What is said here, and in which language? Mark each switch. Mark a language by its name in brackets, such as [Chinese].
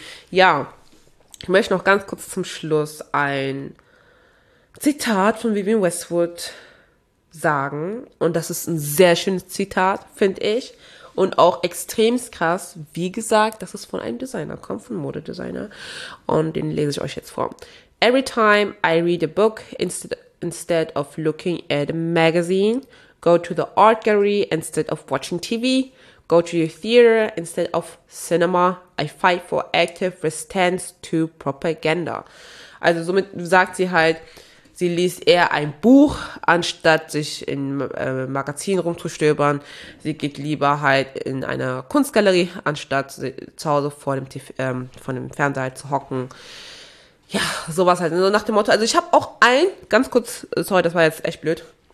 [German] Ja, ich möchte noch ganz kurz zum Schluss ein Zitat von Vivienne Westwood sagen. Und das ist ein sehr schönes Zitat, finde ich. Und auch extremst krass. Wie gesagt, das ist von einem Designer, kommt von Modedesigner. Und den lese ich euch jetzt vor. [English] Every time I read a book, instead of looking at a magazine, go to the art gallery instead of watching TV, go to your theater instead of cinema, I fight for active resistance to propaganda. [German] Also somit sagt sie halt, sie liest eher ein Buch, anstatt sich in Magazin rumzustöbern. Sie geht lieber halt in eine Kunstgalerie, anstatt zu Hause vor dem Fernseher halt zu hocken. Ja, sowas halt. So nach dem Motto, also ich habe auch ein, ganz kurz, sorry, das war jetzt echt blöd.